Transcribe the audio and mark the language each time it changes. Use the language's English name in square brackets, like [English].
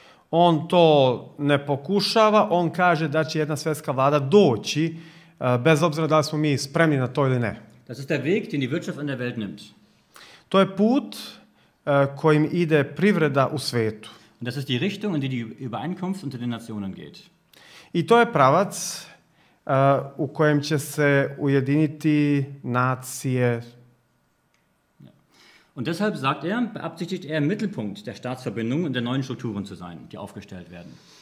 [Serbian] On to ne pokušava, on kaže da će jedna svetska vlada doći, bez obzira da li smo mi spremni na to ili ne. [German] Das ist der Weg, den die Wirtschaft in der Welt nimmt. [Serbian] To je put kojim ide privreda u svetu. [German] Und das ist die Richtung, in die Übereinkunft unter den Nationen geht. [Serbian] I to je pravac u kojem će se ujediniti nacije. [German] Und deshalb sagt er, beabsichtigt er, Mittelpunkt der Staatsverbindung und der neuen Strukturen zu sein, die aufgestellt werden.